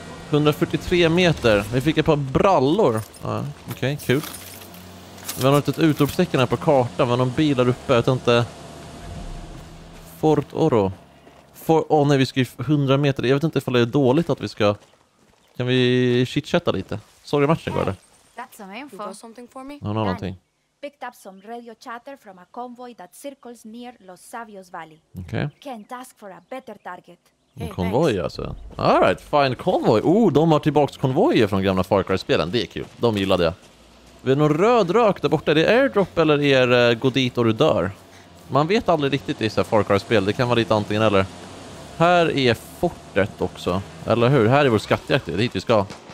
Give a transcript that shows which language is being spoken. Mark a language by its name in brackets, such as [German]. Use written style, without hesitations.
[Swedish] 143 meter. Vi fick ett par brallor. Okej, okay, kul. Vi har inte ett utropstecken här på kartan. Vi har någon bil där uppe. Jag vet inte. Fort Oro. Nej, vi ska ju 100 meter. Jag vet inte ifall det är dåligt att vi ska... Kan vi chitchatta lite? Sorry, matchen går det. [English] That's some info. You got something for me? [Swedish] Ja, no, någonting. [English] Picked up some radio chatter from a convoy that circles near Los Sabios Valley. Okay. Can't ask for a better target. [Swedish] En konvoj alltså. [English] All right, fine. [Swedish] Konvoj. Oh, de har tillbaka konvojer från gamla Far Cry-spelen. Det är kul. De gillade jag. Vi har någon röd rök där borta. Är det airdrop eller är det gå dit och du dör? Man vet aldrig riktigt i så här Far Cry-spel. Det kan vara lite antingen eller. Här är fortet också. Eller hur? Här är vår skattjakt. Det är dit vi ska.